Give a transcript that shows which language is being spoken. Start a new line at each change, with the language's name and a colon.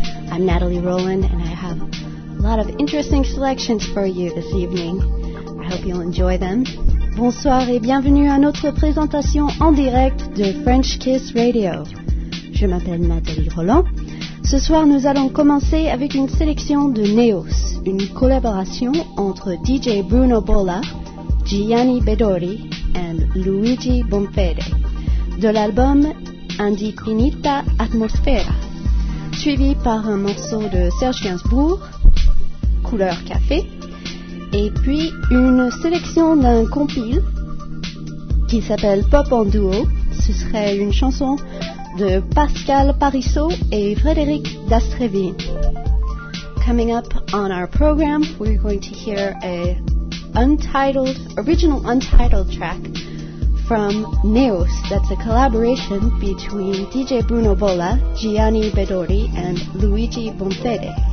English: I'm Natalie Roland, and I have a lot of interesting selections for you this evening. I hope you'll enjoy them.
French: Bonsoir et bienvenue à notre présentation en direct de French Kiss Radio. Je m'appelle Natalie Roland. Ce soir, nous allons commencer avec une sélection de Neos, une collaboration entre DJ Bruno Bolla, Gianni Bedori and Luigi Bonfede, de l'album Indifinita Atmosfera, suivi par un morceau de Serge Gainsbourg, Couleur Café, et puis une sélection d'un compil qui s'appelle Pop en Duo. Ce serait une chanson de Pascal Parisot et Frédéric Dastrevin.
English: Coming up on our program, we're going to hear an original untitled track from Neos. That's a collaboration between DJ Bruno Bolla, Gianni Bedori, and Luigi Bonfede.